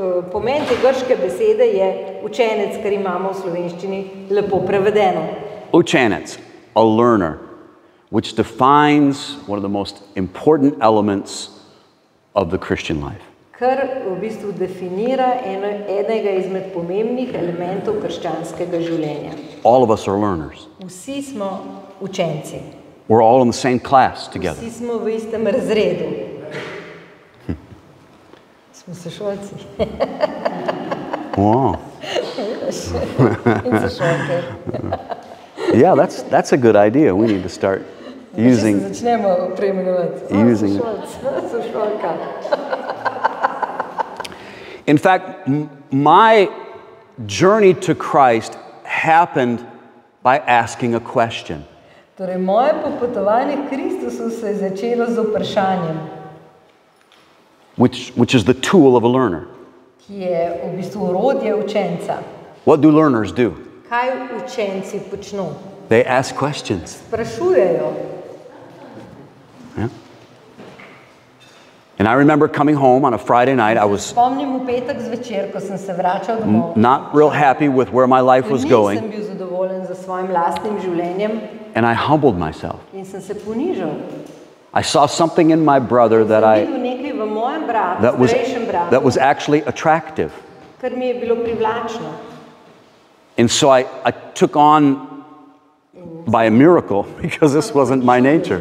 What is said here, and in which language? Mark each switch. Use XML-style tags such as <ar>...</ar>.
<sl>Pomen te grške besede je učenec, kar imamo v slovenščini lepo prevedeno.</sl> <en>Učenec, a learner, which defines one of the most important elements of the Christian life.</en> <sl>Kar v bistvu definira enega izmed pomembnih elementov krščanskega življenja.</sl> <en>All of us are learners.</en> <sl>Vsi smo učenci.</sl> <en>We're all in the same class together.</en> <sl>Vsi smo v istem razredu.</sl> <en>Wow. Yeah, that's a good idea. We need to start using In fact, my journey to Christ happened by asking a question.</en> <sl>Torej moje popotovanje Kristusu se je začelo z vprašanjem.</sl> <en>Which is the tool of a learner.</en> <sl>Ki je v bistvu orodje učenca.</sl> <en>What do learners do?</en> <sl>Kaj učenci počno?</sl> <en>They ask questions.</en> <sl>Sprašujejo.</sl> <en>Yeah. And I remember coming home on a Friday night, I was</en> <sl>spomnim v petek zvečer, ko sem se vračal domov.</sl> <en>Not real happy with where my life was going.</en> <sl>Nisem bil zadovoljen za svojim lastnim življenjem.</sl> <en>And I humbled myself.</en> <sl>In sem se ponižal.</sl> <en>I saw something in my brother that I that was actually attractive.</en> <sl>Kar mi je bilo privlačno.</sl> <en>And so I took on by a miracle because this wasn't my nature.</en>